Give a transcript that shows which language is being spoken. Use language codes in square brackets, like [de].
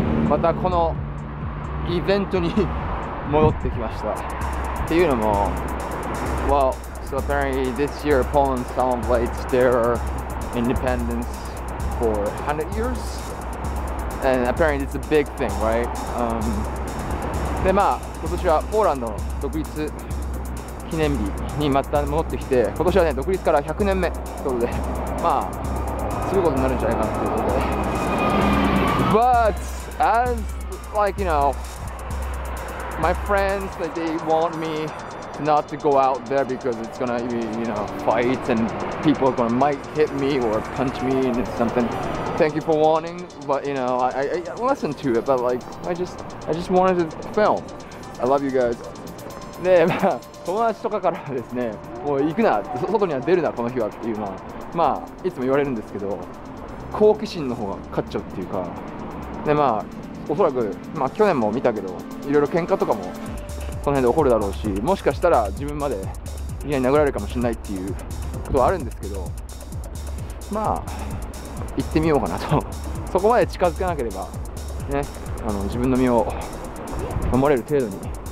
[ja] またこのイベントに戻ってきました。っていうのも、 [en] well, so apparently this year Poland celebrates their independence for 100 years. And apparently it's a big thing, right? [ja] でまあ今年はポーランドの独立記念日にまた戻ってきて、今年はね、独立から100年目ということで、まあ、すごいことになるんじゃないかなということで。 [en] But, as, like, you know, my friends, like, they want me not to go out there because it's gonna be, you know, fights and people are gonna might hit me or punch me and it's something. Thank you for warning, but, you know, I listened to it, but, like, I just wanted to film. I love you guys. [ja] で、まあ、友達とかからですね、もう行くな、外には出るな、この日はっていうのは、まあ、いつも言われるんですけど、好奇心の方が勝っちゃうっていうか、で、まあ、おそらく、まあ、去年も見たけど、いろいろ喧嘩とかも、この辺で起こるだろうし、もしかしたら自分まで家に殴られるかもしれないっていうことはあるんですけど、まあ、行ってみようかなと、そこまで近づかなければ、ね、あの自分の身を守れる程度に。